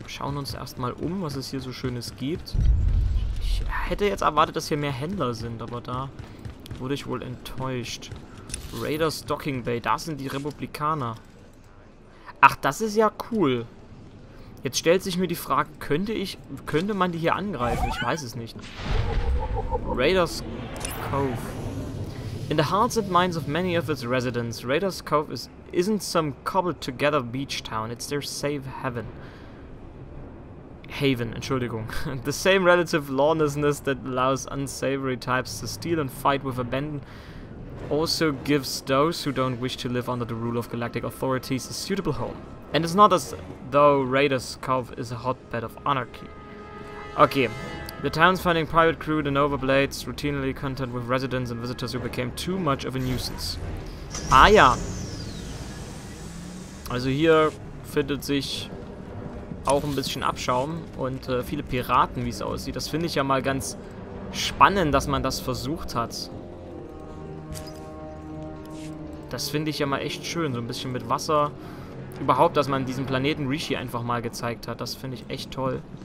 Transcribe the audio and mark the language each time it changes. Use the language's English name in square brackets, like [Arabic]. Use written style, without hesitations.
[German] Schauen uns erstmal um, was es hier so Schönes gibt. Ich hätte jetzt erwartet, dass hier mehr Händler sind, aber da wurde ich wohl enttäuscht. Raiders Docking Bay, da sind die Republikaner. Ach, das ist ja cool. Jetzt stellt sich mir die Frage, könnte man die hier angreifen? Ich weiß es nicht. Raiders Cove. [English] In the hearts and minds of many of its residents, Raiders Cove isn't some cobbled together beach town. It's their safe haven. Haven, [German] Entschuldigung. [English] The same relative lawlessness that allows unsavory types to steal and fight with abandon also gives those who don't wish to live under the rule of galactic authorities a suitable home. And it's not as though Raiders Cove is a hotbed of anarchy. Okay. The town's finding private crew, the Nova Blades, routinely contend with residents and visitors who became too much of a nuisance. [German] Ah ja. Also hier findet sich auch ein bisschen Abschaum und viele Piraten, wie es aussieht. Das finde ich ja mal ganz spannend, dass man das versucht hat. Das finde ich ja mal echt schön, so ein bisschen mit Wasser. Überhaupt, dass man diesen Planeten Rishi einfach mal gezeigt hat, das finde ich echt toll.